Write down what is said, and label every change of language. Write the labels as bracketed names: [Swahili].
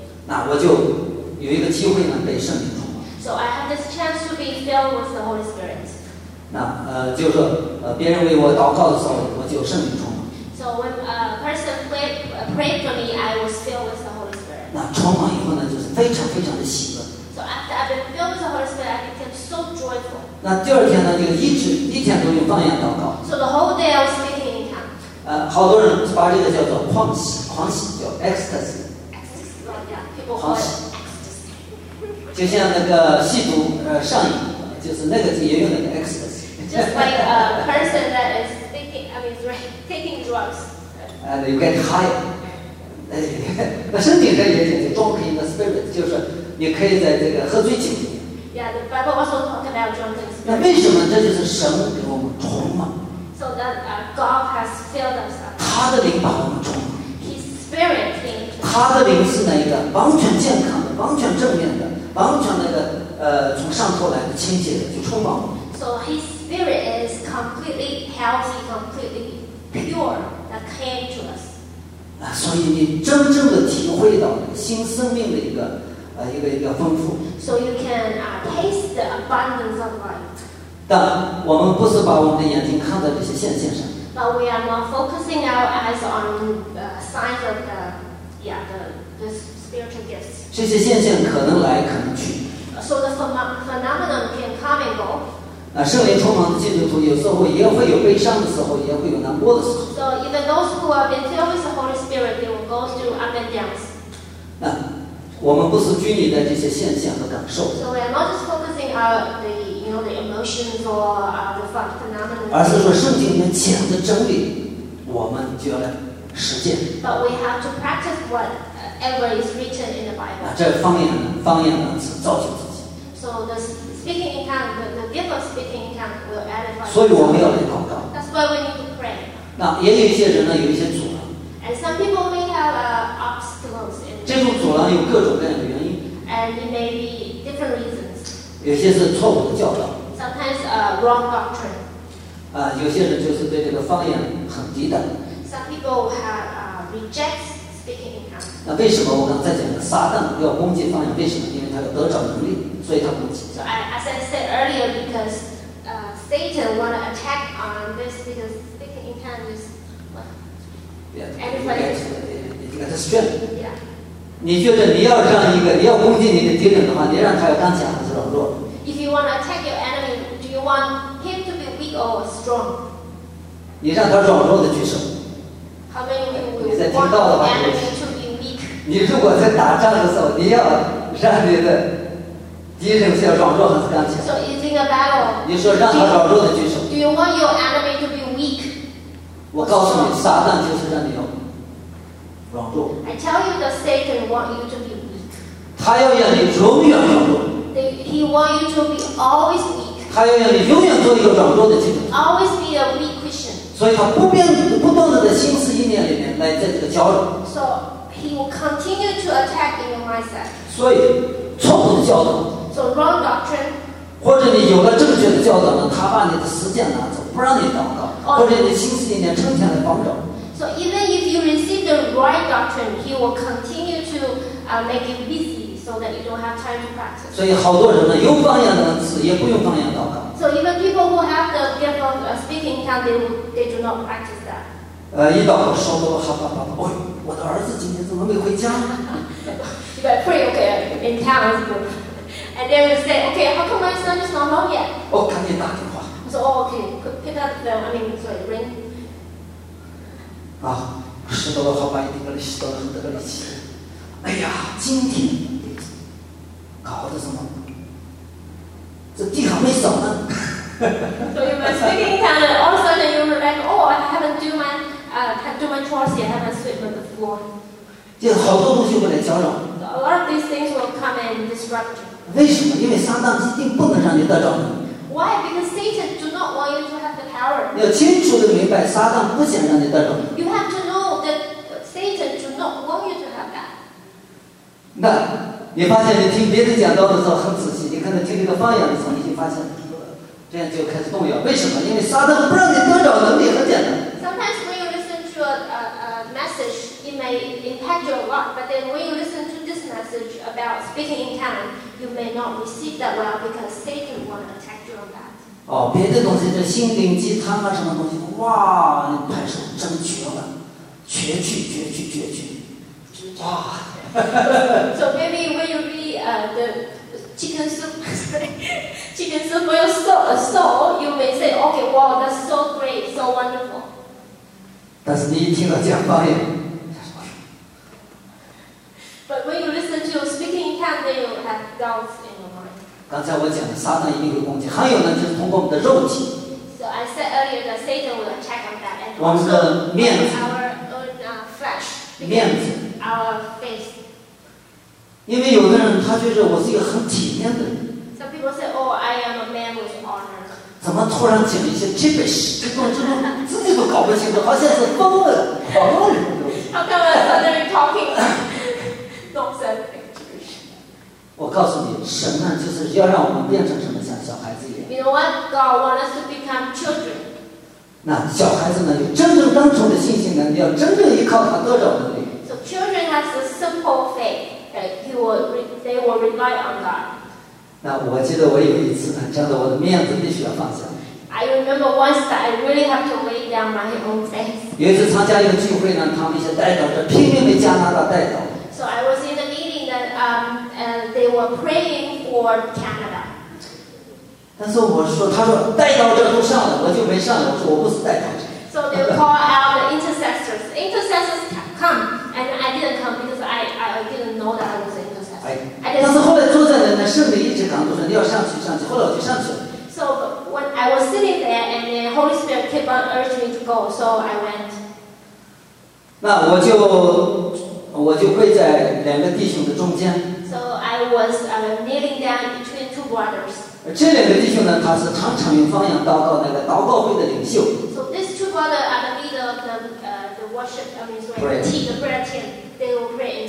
[Chinese] 那我就有一个机会呢被圣灵充满 [English] So I have this chance to be filled with the Holy Spirit [Chinese] 那就是别人为我祷告的时候我就圣灵充满 [English] So when a person prayed for me I was filled with the Holy Spirit [Chinese] 那充满以后呢就是非常非常的喜乐 [English] So after I've been filled with the Holy Spirit I became so joyful [Chinese] 那第二天呢，就一天都用方言祷告。 [English] So the whole day I was speaking in tongues. [Chinese] 好多人把这个叫做狂喜，叫 ecstasy。狂喜。就像那个吸毒上瘾，就是那个也用那个 ecstasy。 [English] Just like a person that is taking drugs. You get high. [Chinese] 身体上也就是装可以的 spirit， 就是你可以在这个喝醉酒。 [English] Yeah, the Bible also talks about drunken spirits. [Chinese] 那为什么这就是神给我们充满 [English] ？So that God has filled us up. [Chinese] 他的灵把我们充满。 [English] His spirit filled. [Chinese] 他的灵是那一个完全健康的、完全正面的、完全那个从上头来的清洁的，就充满我们。 [English] So His spirit is completely healthy, completely pure that came to us. [Chinese] 啊，所以你真正的体会到新生命的一个。一个丰富。 [English] So you can taste the abundance of life. [Chinese] 但我们不是把我们的眼睛看在这些现象上。 [English] But we are not focusing our eyes on the signs of the spiritual gifts. [Chinese] 这些现象可能来，可能去。 [English] So the phenomenon can come and go. [Chinese] 圣灵充满的基督徒有时候也会有悲伤的时候，也会有难过的时候。 [English] So even those who have been filled with the Holy Spirit, they will go through up and downs. [Chinese] 我们不是拘泥在这些现象和感受 [English] So we are not just focusing on the emotions or the phenomena [Chinese] 而是说圣经里面讲的真理我们就要来实践 [English] But we have to practice whatever is written in the Bible [Chinese] 这方言呢是造就自己 [English] So the speaking in tongues the gift of speaking in tongues will edify [Chinese] 所以我们要来祷告 [English] That's why we need to pray [Chinese] 那也有一些人呢有一些阻碍 [English] And some people may have obstacles in [Chinese] 这种阻拦有各种各样的原因 [English] And it may be different reasons [Chinese] 有些是错误的教导 [English] Sometimes a wrong doctrine [Chinese] 有些人就是对这个方言很抵挡 [English] Some people reject speaking in tongues [Chinese] 那为什么我刚才讲的撒旦要攻击方言为什么因为他有得着能力所以他攻击 [English] So as I said earlier because Satan want to attack on this because speaking in tongues everybody gets strength yeah. [Chinese] 你觉得你要让一个你要攻击你的敌人的话，你让他要刚强还是软弱 [English] ？If you want to attack your enemy, do you want him to be weak or strong? [Chinese] 你让他软弱的举手。 [English] How many you want the enemy to be weak? [Chinese] 你如果在打仗的时候，你要让你的敌人是要软弱还是刚强？ [English] So is in a battle. [Chinese] 你说让他软弱的举手。 [English] Do you want your enemy to be weak? [Chinese] 我告诉你，撒旦就是让你要软弱。 [English] I tell you that Satan want you to be weak. [Chinese] 他要让你永远软弱。 [English] He want you to be always weak. [Chinese] 他要让你永远做一个软弱的基督徒。 [English] Always be a weak Christian. [Chinese] 所以他不断地在心思意念里面来在这个搅扰。 [English] So he will continue to attack in your mindset. [Chinese] 所以错误的教导。 [English] So wrong doctrine. [Chinese] 或者你有了正确的教导呢，他把你的实践拿走，不让你祷告， oh, 或者你心思意念呈现的方丈。 [English] So even if you receive the right doctrine, he will continue to make you busy. So that you don't have time to practice. [Chinese] So, 好多人呢，有方言的词，也不用方言祷告。 [English] So even people who have the gift of speaking tongue, they do not practice that. [Chinese] 一祷告说多了，哈哈哈！哎，我的儿子今天怎么没回家呢？ [English] If I pray, okay, in town, and then you say, okay, how come my son is not home yet? [Chinese] 哦，赶紧打电话。 [English] So, oh, okay, pick up the, I mean, sorry, ring. [Chinese] 啊，十多了，好吧，一定跟你十多了，很得了气。哎呀，今天。搞的什么？这地上没扫呢。 [English] So you are speaking in town, all of a sudden you are like, oh, I haven't do my, chores yet, I haven't sweeped the floor. [Chinese] 这好多东西会来搅扰。 [English] A lot of these things will come and disrupt you. [Chinese] 为什么？因为撒旦一定不能让你得着。 [English] Why? Because Satan do not want you to have the power. [Chinese] 要清楚的明白，撒旦不想让你得着。 [English] You have to know that Satan do not want you to have that. [Chinese] 那。你发现你听别人讲道的时候很仔细，你可能听这个方言的时候你已经发现这样就开始动摇，为什么？因为撒旦不让你得着能力，很简单。 [English] Sometimes when you listen to a message it may impact you a lot, but then when you listen to this message about speaking in tongues you may not receive that well because Satan want to attack you on that. [Chinese] 哦，别的东西就心灵鸡汤啊什么东西，哇，你拍手真绝了，绝句绝句绝句，哇。 [English] So maybe when you read the chicken soup, chicken soup for your soul, you may say, okay, wow, that's so great, so wonderful. [Chinese] 但是你一听到讲方言， [English] But when you listen to speaking in tongues, then you have doubts in your mind. [Chinese] 刚才我讲的撒旦一定会攻击，还有呢，就是通过我们的肉体。 [English] So I said earlier that Satan will attack on that. [Chinese] 我们的面子。 [English] Our own flesh. [Chinese] 面子。 [English] Our face. [Chinese] 因为有的人他觉得我是一个很体面的人。 [English] Some people say, "Oh, I am a man with honor." [Chinese] 怎么突然讲一些 gibberish， 这种自己都搞不清楚，好像是疯了，狂了。 [English] How come suddenly talking nonsense gibberish？ [Chinese] 我告诉你，神呢就是要让我们变成什么，像小孩子一样。 [English] You know what? God wants us to become children. [Chinese] 那小孩子呢，有真正单纯的信心能力，要真正依靠他得着能力。 [English] So children have a simple faith. They will rely on God. [Chinese] 那我记得我有一次呢，讲到我的面子必须要放下。 [English] I remember once that I really have to lay down my own face. [Chinese] 有一次参加一个聚会呢，他们一些代表在拼命的加拿大代表。 [English] So I was in a meeting that they were praying for Canada. [Chinese] 但是我说，他说代表者都上了，我就没上，我说我不是代表者。 [English] So they call out the intercessors. Intercessors come, and I didn't come because I didn't know that I was. [Chinese] 但是后来坐在那里，圣灵一直感动说你要上去上去，后来我就上去了。 [English] So when I was sitting there, and the Holy Spirit kept on urging me to go, so I went. [Chinese] 那我就跪在两个弟兄的中间。 [English] So I was kneeling down between two brothers. [Chinese] 这两个弟兄呢，他是常常用方言祷告那个祷告会的领袖。 [English] So these two brothers are the leader of the worship, the prayer team.